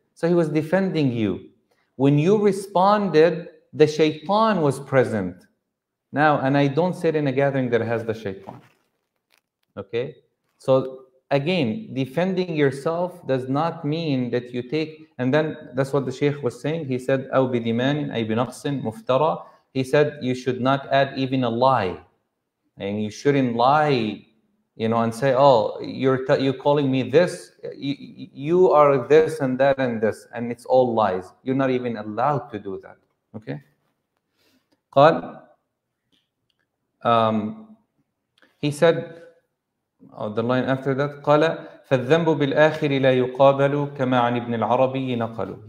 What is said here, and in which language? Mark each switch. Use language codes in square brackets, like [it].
[en] So he was defending you. When you responded, the shaytan was present. Now, and I don't sit in a gathering that has the shaytan. Okay? So again, defending yourself does not mean that you take, and then that's what the Shaykh was saying. He said, [ar] أَوْ بِدِمَانٍ أَيْ بِنَقْصٍ مُفْتَرَى. [en] He said, you should not add even a lie. And you shouldn't lie, you know, and say, oh, you're calling me this. You are this and that and this. And it's all lies. You're not even allowed to do that. Okay? [ar] قَالْ [en] He said, the line after that, [ar] قَالَ فَالذَّنْبُ بِالْآخِرِ لَا يُقَابَلُ كَمَا عَنِ ابْنِ الْعَرَبِيِّ نَقَلُ.